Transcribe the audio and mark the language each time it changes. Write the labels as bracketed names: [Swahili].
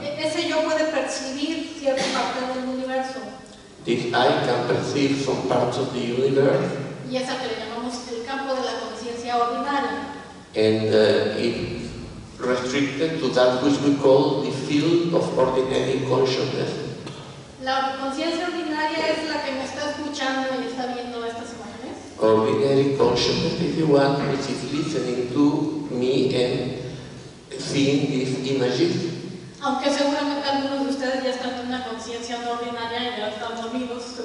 [Spanish] Ese yo puede percibir cierta parte del universo. [English] This I can perceive some parts of the universe. [Spanish] Y es a que le llamamos el campo de la conciencia ordinaria. [English] And it's restricted to that which we call the field of ordinary consciousness. [Spanish] La conciencia ordinaria es la que me está escuchando y está viendo estas imágenes. [English] Ordinary consciousness is the one which is listening to me and seeing these images. [Spanish] Aunque seguramente algunos de ustedes ya están en una conciencia no ordinaria y ya están dormidos,